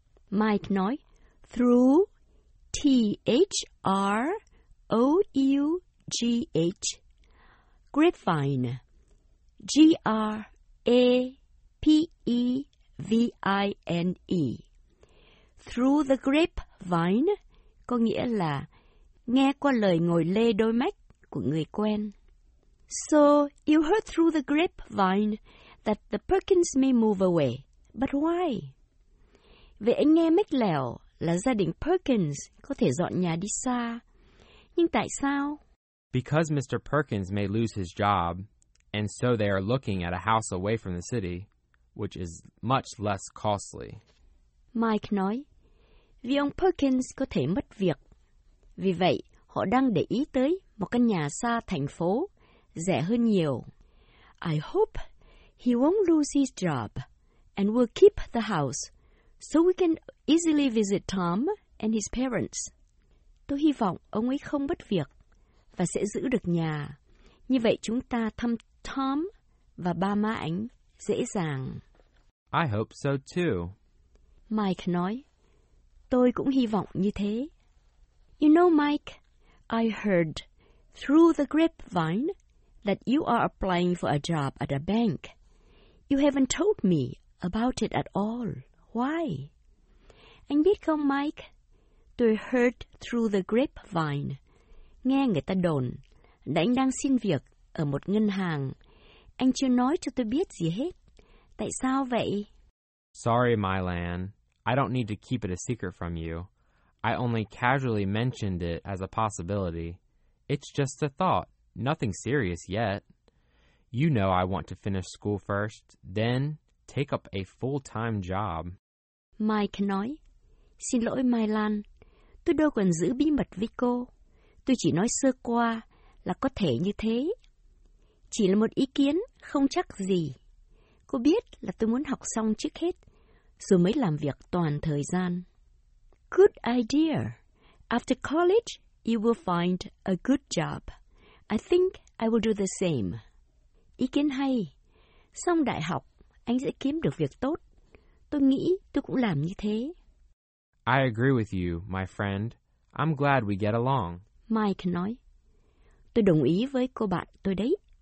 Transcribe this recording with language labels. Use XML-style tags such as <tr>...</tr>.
<en>Mike nói, through, THROUGH, grapevine, GRAPEVINE. Through the grapevine</en> <vi>có nghĩa là nghe qua lời ngồi lê đôi mách của người quen.</vi> <en>So, you heard through the grapevine that the Perkins may move away. But why?</en> <vi>Vậy anh nghe mách lẻo là gia đình Perkins có thể dọn nhà đi xa. Nhưng tại sao?</vi> <en>Because Mr. Perkins may lose his job, and so they are looking at a house away from the city, which is much less costly.</en> <vi>Mike nói, vì ông Perkins có thể mất việc. Vì vậy, họ đang để ý tới một căn nhà xa thành phố, rẻ hơn nhiều.</vi> <en>I hope he won't lose his job and will keep the house so we can easily visit Tom and his parents.</en> <vi>Tôi hy vọng ông ấy không mất việc và sẽ giữ được nhà. Như vậy chúng ta thăm Tom và ba má anh dễ dàng.</vi> <en>I hope so too.</en> <vi>Mike nói, tôi cũng hy vọng như thế.</vi> <en>You know, Mike, I heard through the grapevine that you are applying for a job at a bank. You haven't told me about it at all. Why?</en> <vi>Anh biết không, Mike? Tôi</vi> <en>heard through the grapevine.</en> <vi>Nghe người ta đồn là anh đang xin việc ở một ngân hàng. Anh chưa nói cho tôi biết gì hết. Tại sao vậy?</vi> <en>Sorry, Mylan. I don't need to keep it a secret from you. I only casually mentioned it as a possibility. It's just a thought. Nothing serious yet. You know I want to finish school first, then take up a full-time job.</en> <vi>Mike nói, xin lỗi Mylan. Tôi đâu còn giữ bí mật với cô. Tôi chỉ nói sơ qua là có thể như thế. Chỉ là một ý kiến không chắc gì. Cô biết là tôi muốn học xong trước hết, rồi mới làm việc toàn thời gian.</vi> <en>Good idea. After college, you will find a good job. I think I will do the same.</en> <vi>Ý kiến hay. Xong đại học, anh sẽ kiếm được việc tốt. Tôi nghĩ tôi cũng làm như thế.</vi> <en>I agree with you, my friend. I'm glad we get along.</en> <vi>Mike nói, tôi đồng ý với cô bạn tôi đấy.</vi>